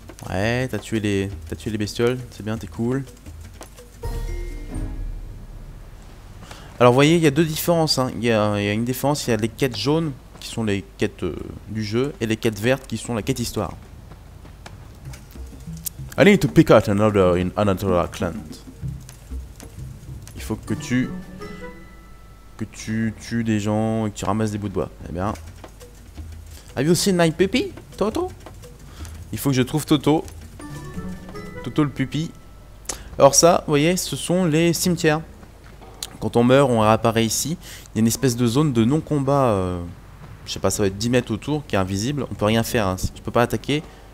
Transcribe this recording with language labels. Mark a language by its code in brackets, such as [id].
[fr] Ouais, t'as tué les bestioles, c'est bien, t'es cool. Alors vous voyez, il y a deux différences, hein. Il y a une différence, il y a les quêtes jaunes qui sont les quêtes du jeu, et les quêtes vertes qui sont la quête histoire. [en] I need to pick out another in another clan. [fr] Il faut que tu tues des gens et que tu ramasses des bouts de bois. Eh bien, [en] have you seen my puppy, Toto? [fr] Il faut que je trouve Toto. Toto le puppy. Alors ça, vous voyez, ce sont les cimetières. Quand on meurt, on réapparaît ici. Il y a une espèce de zone de non-combat. Je sais pas, ça va être 10 mètres autour, qui est invisible. On peut rien faire, hein. Tu peux pas attaquer.